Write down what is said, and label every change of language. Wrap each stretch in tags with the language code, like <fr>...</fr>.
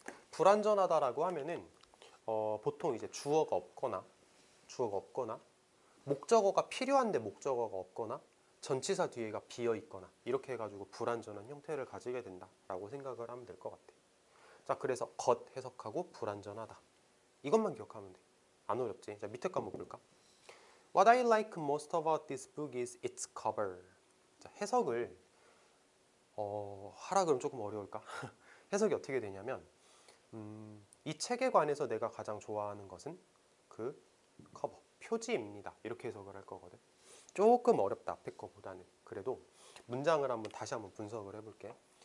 <ko>불완전하다라고 하면은 보통 이제 주어가 없거나 목적어가 필요한데 목적어가 없거나 전치사 뒤에가 비어있거나 이렇게 해가지고 불완전한 형태를 가지게 된다라고 생각을 하면 될 것 같아. 자, 그래서 겉 해석하고 불완전하다. 이것만 기억하면 돼. 안 어렵지. 자, 밑에 거 한번 볼까?</ko> <en>What I like most about this book is its cover.</en> <ko>자, 해석을 하라 그러면 조금 어려울까? 해석이 어떻게 되냐면 이 책에 관해서 내가 가장 좋아하는 것은 그 커버. 표지입니다. 이렇게 해석을 할 거거든. 조금 어렵다. 앞에 거보다는. 그래도 문장을 한번 다시 한번 분석을 해볼게.</ko>